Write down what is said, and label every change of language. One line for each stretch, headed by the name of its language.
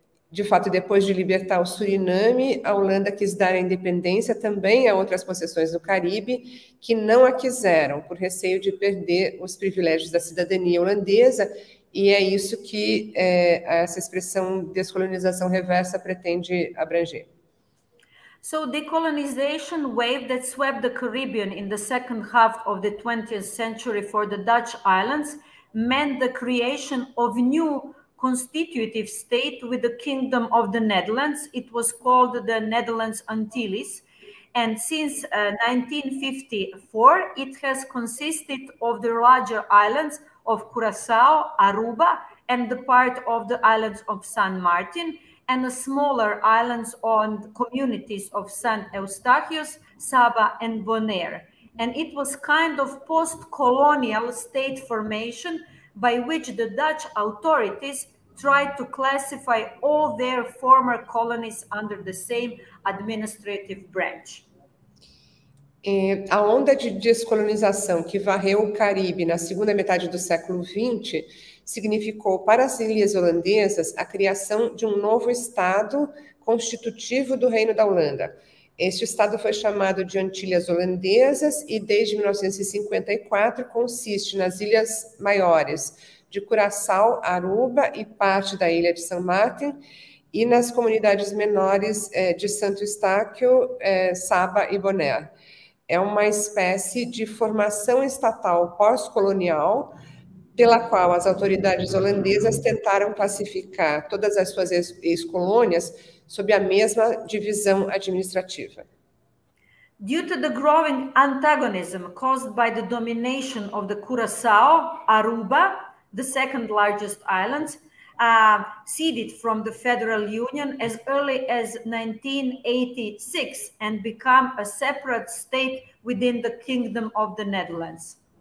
Portuguese: De fato, depois de libertar o Suriname, a Holanda quis dar a independência também a outras possessões do Caribe, que não a quiseram, por receio de perder os privilégios da cidadania holandesa, e é isso que essa expressão descolonização reversa pretende abranger.
English: So the decolonization wave that swept the Caribbean in the second half of the 20th century for the Dutch islands meant the creation of new constitutive state with the Kingdom of the Netherlands. It was called the Netherlands Antilles. And since 1954, it has consisted of the larger islands of Curaçao, Aruba, and the part of the islands of San Martin, and the smaller islands on communities of San Eustachius, Saba, and Bonaire. And it was kind of post-colonial state formation by which the Dutch authorities tried to classify all their former colonies under the same administrative branch.
Portuguese: A onda de descolonização que varreu o Caribe na segunda metade do século XX significou para as ilhas holandesas a criação de um novo estado constitutivo do Reino da Holanda. Este estado foi chamado de Antilhas Holandesas e desde 1954 consiste nas ilhas maiores de Curaçao, Aruba e parte da ilha de São Martin, e nas comunidades menores de Santo Eustáquio, Saba e Bonaire. É uma espécie de formação estatal pós-colonial pela qual as autoridades holandesas tentaram classificar todas as suas ex-colônias sob a mesma divisão administrativa.
English: Due to the growing antagonism caused by the domination of the Curaçao, Aruba, the second largest island, ceded from the Federal Union as early as 1986 and become a separate state within the Kingdom of the Netherlands.